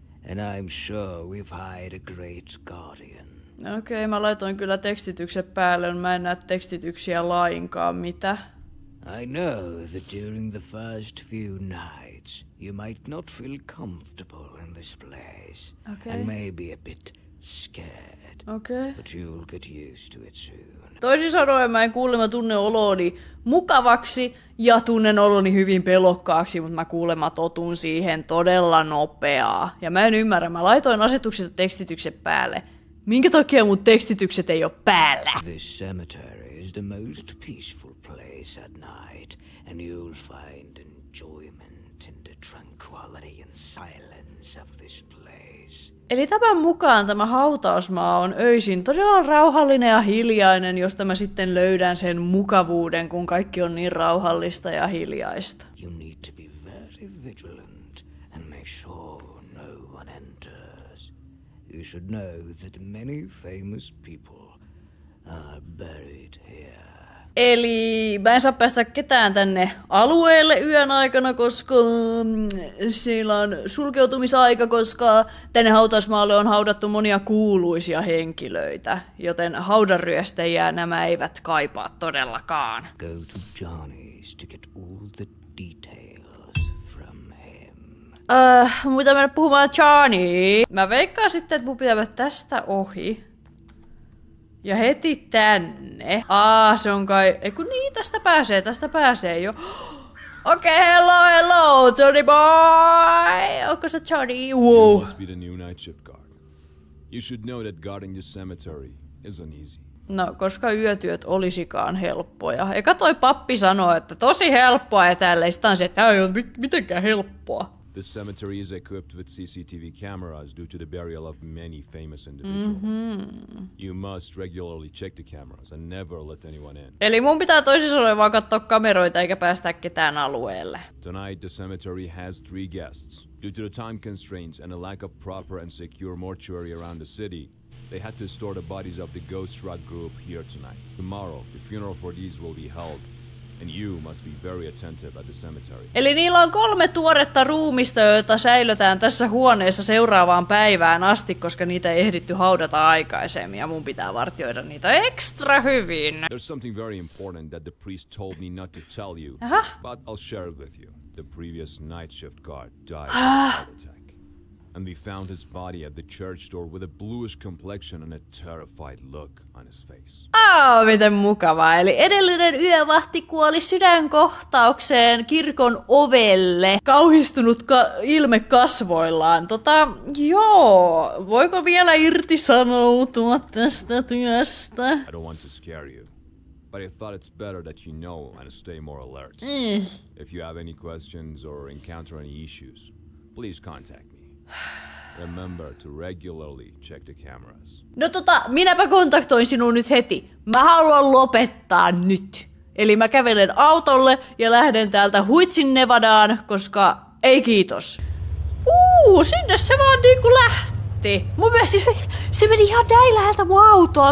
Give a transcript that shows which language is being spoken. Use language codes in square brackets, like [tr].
[en] And I'm sure we've hired a great guardian. [fi] Okei, mä laitoin kyllä tekstitykset päälle, mä en näe tekstityksiä lainkaan, mitä? [en] I know that during the first few nights, you might not feel comfortable in this place. Okay. And maybe a bit scared. Okay. But you'll get used to it soon. [fi] Toisin sanoen mä en kuulemma tunne oloni mukavaksi ja tunnen oloni hyvin pelokkaaksi, mutta mä kuulemma totun siihen todella nopeaa. Ja mä en ymmärrä, mä laitoin asetukset ja tekstitykset päälle. Minkä takia mun tekstitykset ei oo päällä? [en] This cemetery is the most peaceful place at night, and you'll find enjoyment in the tranquility and silence of this place. [fi] Eli tämän mukaan tämä hautausmaa on öisin todella rauhallinen ja hiljainen, josta mä sitten löydän sen mukavuuden, kun kaikki on niin rauhallista ja hiljaista. [en] You need to be very vigilant and make sure no one enters. You should know that many famous people are buried here. [fi] Eli mä en saa päästä ketään tänne alueelle yön aikana, koska siellä on sulkeutumisaika, koska tänne hautausmaalle on haudattu monia kuuluisia henkilöitä. Joten haudanryöstäjiä nämä eivät kaipaa todellakaan. [en] Go to Johnny's to get all the details from him. [fi] Mun pitää mennä puhumaan Johnny. Mä veikkaan sitten, että mun pitää mennä tästä ohi. Ja heti tänne. Aa, se on kai... Eiku niin, tästä pääsee jo. [en] Okei, hello, hello, Johnny boy! [fi] Onko se Johnny? [en] Wow. You must be the new night shift guard. You should know that guarding the cemetery isn't easy. [fi] No, koska yötyöt olisikaan helppoja. Eka toi pappi sanoo, että tosi helppoa ja täällä. Sitä on se, että ei ole mitenkään helppoa. [en] The cemetery is equipped with CCTV cameras due to the burial of many famous individuals. Mm-hmm. You must regularly check the cameras and never let anyone in. [fi] Eli mun pitää toisin sanoen vaan katsoa kameroita eikä päästä ketään alueelle. [en] Tonight the cemetery has 3 guests. Due to the time constraints and a lack of proper and secure mortuary around the city, they had to store the bodies of the Ghost Rock group here tonight. Tomorrow, the funeral for these will be held. And you must be very attentive at the cemetery. [fi] Eli niillä on 3 tuoretta ruumista, joita säilötään tässä huoneessa seuraavaan päivään asti, koska niitä ei ehditty haudata aikaisemmin ja mun pitää vartioida niitä ekstra hyvin. [en] There's something very important that the priest told me not to tell you. Aha. But I'll share it with you. The previous night shift guard died of a heart attack. And we found his body at the church door with a bluish complexion and a terrified look on his face. [fi] Oh, miten mukavaa. Eli edellinen yövahti kuoli sydänkohtaukseen kirkon ovelle. Kauhistunut ilme kasvoillaan. Joo. Voiko vielä irtisanoutua tästä työstä? [en] I don't want to scare you. But I thought it's better that you know and stay more alert. If you have any questions or encounter any issues, please contact me. Remember to regularly check the cameras. [fi] No minäpä kontaktoin sinua nyt heti. Mä haluan lopettaa nyt. Eli mä kävelen autolle ja lähden täältä huitsin Nevadaan, koska ei kiitos. Sinne se vaan niinku lähti. Mun mielestä se meni ihan näin läheltä mun autoa.